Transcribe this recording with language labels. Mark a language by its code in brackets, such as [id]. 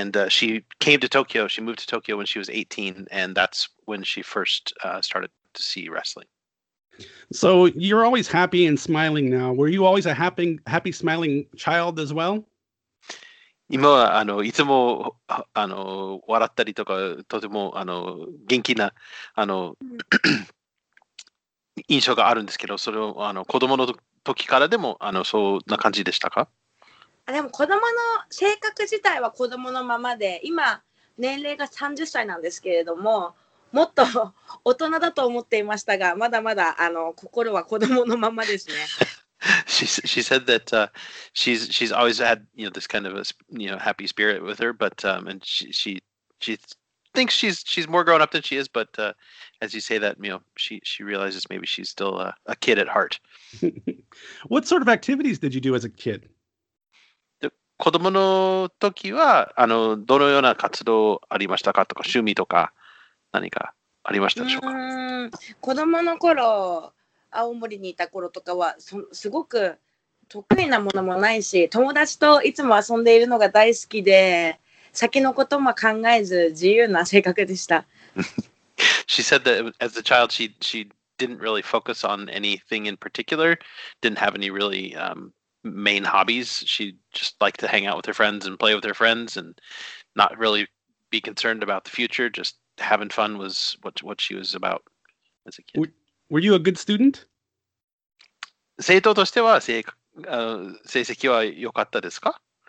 [en] She came to Tokyo. She moved to Tokyo when she was 18, and that's when she first started to see wrestling. So you're always happy and smiling now. Were you always a happy, smiling child as well? [ja] 今はいつも笑ったりとかとても元気な印象があるんですけど、それを子供の時からでもそんな感じでしたか？でも子供の性格自体は子供のままで、今年齢が30歳なんですけれども、もっと大人だと思っていましたが、まだまだ心は子供のままですね。 [en] She said that she's always had this kind of a happy spirit with her, but she thinks she's more grown up than she is, but as you say that, she realizes maybe she's still a kid at heart. What sort of activities did you do as a kid? [ja] 子供の時はどのような活動ありましたかとか趣味とか何かありましたでしょうか？子供の頃。青森にいた頃とかはすごく得意なものもないし、友達といつも遊んでいるのが大好きで、先のことも考えず自由な性格でした。 [en] She said that as a child she didn't really focus on anything in particular, didn't have any really main hobbies. She just liked to hang out with her friends and play with her friends and not really be concerned about the future. Just having fun was what she was about as a kid. Were you a good student? [ja] 生徒としては成績は良かったですか？